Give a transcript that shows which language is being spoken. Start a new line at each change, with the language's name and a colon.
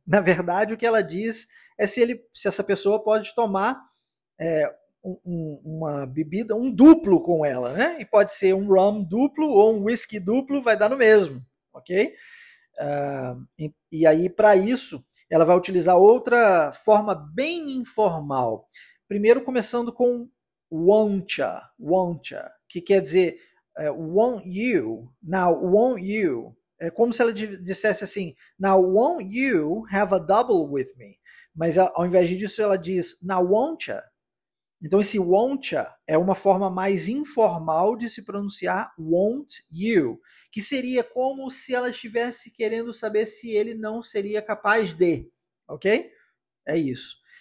Portuguese: Na verdade, o que ela diz é se essa pessoa pode tomar uma bebida, um duplo com ela, né? E pode ser um rum duplo ou um whisky duplo, vai dar no mesmo, ok? E aí, para isso, ela vai utilizar outra forma bem informal. Primeiro, começando com won'tcha, won'tcha, que quer dizer
English: won't you, now won't you.
Portuguese: É como se ela dissesse assim,
English: now won't you have a double with me?
Portuguese: Mas ao invés disso, ela diz,
English: now won't ya?
Portuguese: Então, esse
English: won't ya
Portuguese: é uma forma mais informal de se pronunciar
English: won't you,
Portuguese: que seria como se ela estivesse querendo saber se ele não seria capaz de. Ok? É isso.